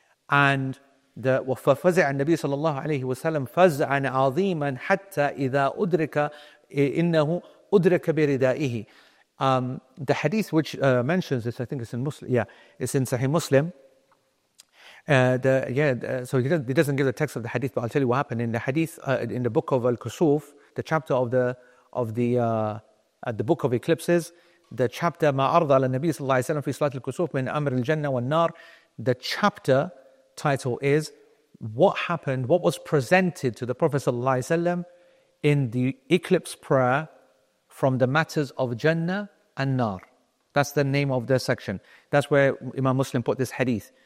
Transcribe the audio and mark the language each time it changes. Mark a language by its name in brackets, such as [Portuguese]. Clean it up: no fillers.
[English] And the [Arabic] وَفَزِعَ النَّبِي صَلَى اللَّهُ عَلَيْهِ وَسَلَمْ فَزْعًا عَظِيمًا حَتَّى إِذَا أُدْرِكَ إِنَّهُ أُدْرِكَ بِرِدَائِهِ. [English] The hadith which mentions this, I think it's in Muslim. Yeah, it's in Sahih Muslim. So he doesn't give the text of the hadith, but I'll tell you what happened in the hadith, in the book of Al-Kusuf, the chapter of the the book of eclipses. The chapter [Arabic] مَا أَرْضَ عَلَى النَّبِي صَلَّى اللَّهِ عَلَيْهِ وَسَلَّمْ فِي صَلَاةِ الْكُسُوفِ مِنْ أَمْرِ الْجَنَّةِ وَالنَّارِ. [English] The chapter title is what happened, what was presented to the Prophet صلى الله عليه وسلم in the eclipse prayer from the matters of Jannah and Nar. That's the name of the section. That's where Imam Muslim put this hadith.